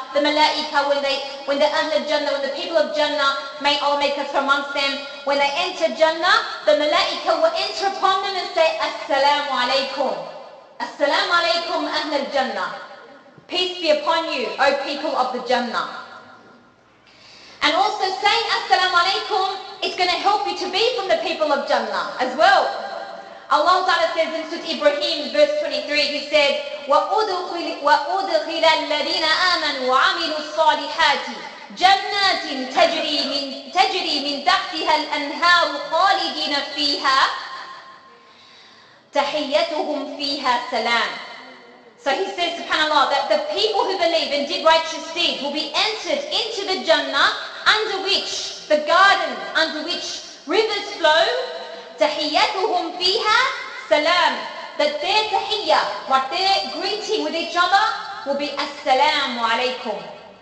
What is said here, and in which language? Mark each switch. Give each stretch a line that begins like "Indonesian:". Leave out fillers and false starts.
English: The Malaika, when the Ahl al-Jannah, when the people of Jannah, may Allah make us from amongst them, when they enter Jannah, the Malaika will enter upon them and say, As-salamu alaykum. As-salamu alaykum, Ahl al-Jannah. Peace be upon you, O people of the Jannah. And also saying assalamu alaikum is going to help you to be from the people of Jannah as well. Allah Ta'ala says in Surah Ibrahim, verse 23, He said,
Arabic: وَأُدْخِلَ الَّذِينَ آمَنُوا وَعَمِلُوا الصَّالِحَاتِ جَنَّاتٍ تَجْرِي مِنْ تَحْتِهَا الْأَنْهَارُ خَالِدِينَ فِيهَا تَحِيَّتُهُمْ فِيهَا سَلَامٌ.
English: So he says, subhanAllah, that the people who believe and did righteous deeds will be entered into the Jannah, under which the garden, under which rivers flow, tahiyyatuhum fiha salam, that their tahiyya, like their greeting with each other, will be assalamu alaikum.